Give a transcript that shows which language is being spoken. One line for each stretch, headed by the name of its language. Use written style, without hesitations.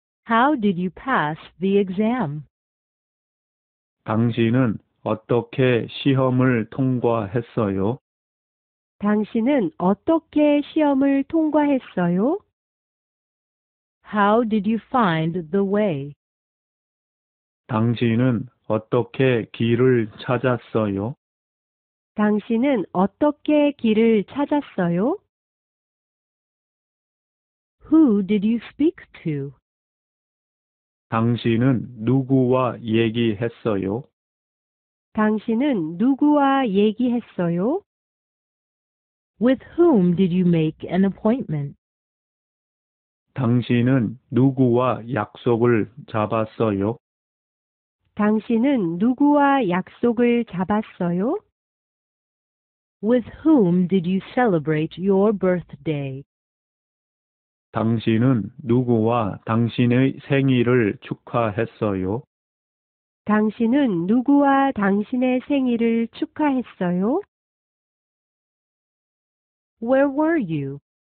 English: How did you pass the exam?
Korean: 당신은 어떻게 시험을 통과했어요? 당신은 어떻게 시험을 통과했어요?
English: How did you find the way?
Korean: 당신은 어떻게 길을 찾았어요? 당신은 어떻게 길을 찾았어요?
English: Who did you speak to?
Korean: 당신은 누구와 얘기했어요? 당신은 누구와 얘기했어요?
English: With whom did you make an appointment?
Korean: 당신은 누구와 약속을 잡았어요? 당신은 누구와 약속을 잡았어요?
English: With whom did you celebrate your birthday?
Korean: 당신은 누구와 당신의 생일을 축하했어요? 당신은 누구와 당신의 생일을 축하했어요?
English: Where were you?